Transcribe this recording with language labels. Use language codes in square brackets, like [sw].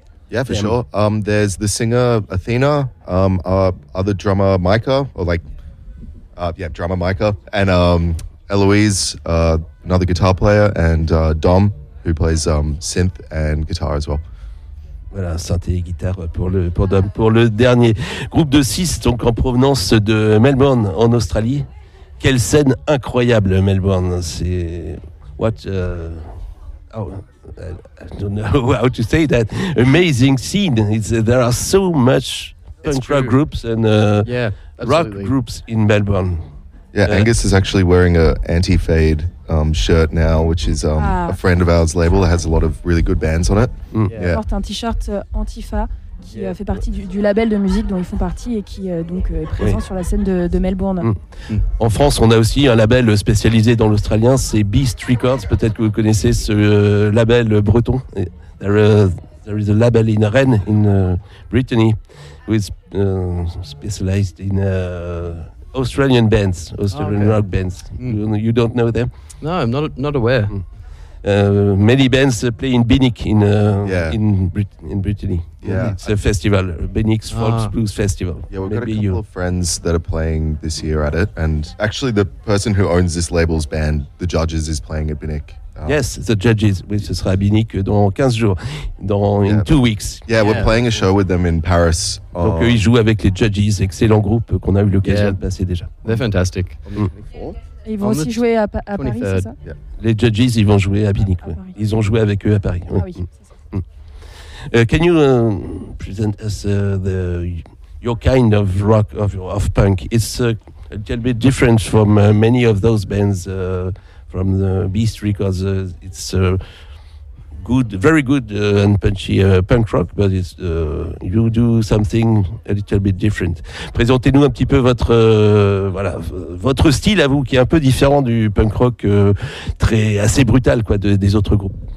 [en] Yeah, for sure. There's the singer Athena, our other drummer Micah, and Eloise, another guitar player, and Dom, who plays synth and guitar as well. [fr] Voilà, synthé et guitare pour Dom. Pour le dernier groupe de six, donc en provenance de Melbourne, en Australie. Quelle scène incroyable, Melbourne. C'est [en] what? I don't know how to say that. Amazing scene. There are so much punk rock groups and rock groups in Melbourne. Yeah, Angus is actually wearing a anti-fade shirt now, which is a friend of ours' label that has a lot of really good bands on it. Mm. [fr] Yeah. Il porte un t-shirt Antifa qui fait partie du label de musique dont ils font partie et qui est présent sur la scène de Melbourne. Mm. Mm. En France, on a aussi un label spécialisé dans l'australien, c'est Beast Records. Peut-être que vous connaissez ce label breton. [en] There is a label in Rennes, in Brittany, who is specialized in Australian bands, Australian rock bands. Mm. You don't know them? No, I'm not aware. Mm. Many bands play in Binnick in Brittany. Yeah, it's a festival, Binnick's Folk Blues Festival. Yeah, we've got a couple of friends that are playing this year at it, and actually, the person who owns this label's band, The Judges, is playing at Binnick. Yes, The Judges, which [fr] ce sera Binnick dans 15 jours, [en] in 2 weeks. Yeah, we're playing a show with them in Paris. [fr] Donc ils jouent avec les Judges, excellent groupe qu'on a eu l'occasion de passer déjà. [en] They're fantastic. Mm. [fr] Ils vont aussi jouer à Paris, c'est ça? Les Judges, ils vont jouer à Binnick. Ouais. Ils ont joué avec eux à Paris. Ah oui, c'est ça. [en] Can you present us your kind of rock, of punk? It's a little bit different from many of those bands from the Beast Records. It's good, very good and punchy punk rock, but it's, you do something a little bit different. [fr] Présentez-nous un petit peu votre style à vous, qui est un peu différent du punk rock assez brutal, quoi, des autres groupes.